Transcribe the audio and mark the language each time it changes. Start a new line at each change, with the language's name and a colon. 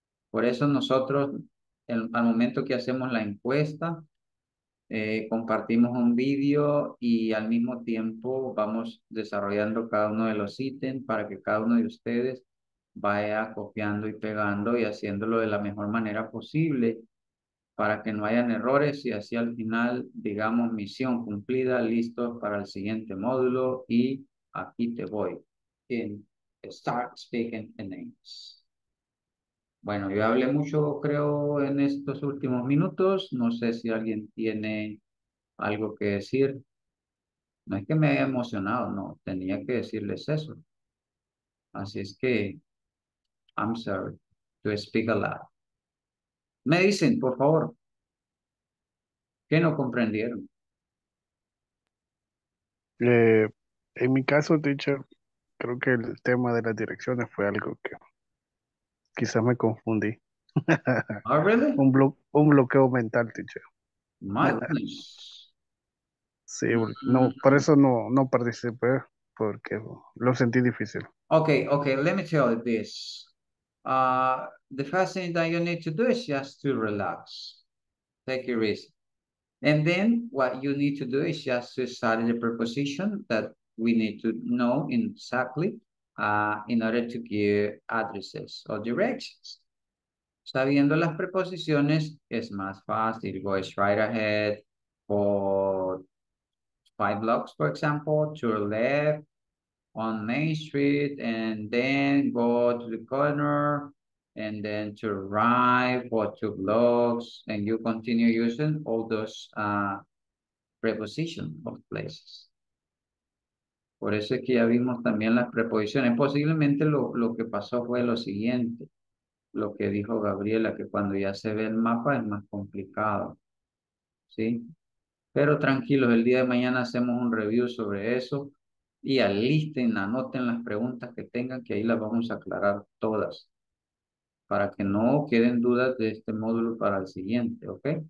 Spanish: Por eso nosotros, al momento que hacemos la encuesta, compartimos un vídeo y al mismo tiempo vamos desarrollando cada uno de los ítems para que cada uno de ustedes vaya copiando y pegando y haciéndolo de la mejor manera posible, para que no hayan errores y así al final, digamos, misión cumplida, listo para el siguiente módulo y aquí te voy.
English: Start speaking in English.
Spanish: Bueno, yo hablé mucho, creo, en estos últimos minutos. No sé si alguien tiene algo que decir. No es que me haya emocionado, no. Tenía que decirles eso. Así es que,
English: I'm sorry to speak a lot.
Spanish: Me dicen, por favor, ¿qué no comprendieron? En mi caso, teacher, creo que el tema de las direcciones fue algo que quizás me confundí.
English: Oh, really?
Spanish: un bloqueo mental, teacher.
English: My goodness.
Spanish: Sí, no, por eso no participé, porque lo sentí difícil.
English: Okay, let me tell you this. The first thing that you need to do is just to relax, take your rest. And then what you need to do is just to study the preposition that we need to know exactly in order to give addresses or directions.
Spanish: Sabiendo las preposiciones es más fácil.
English: Go straight ahead for 5 blocks, for example, to the left on Main Street, and then go to the corner, and then to arrive for 2 blocks, and you continue using all those prepositions of places.
Spanish: Por eso es que ya vimos también las preposiciones. Posiblemente lo que pasó fue lo siguiente, lo que dijo Gabriela, que cuando ya se ve el mapa es más complicado, ¿sí? Pero tranquilos, el día de mañana hacemos un review sobre eso y alisten, anoten las preguntas que tengan, que ahí las vamos a aclarar todas, para que no queden dudas de este módulo para el siguiente, ¿ok?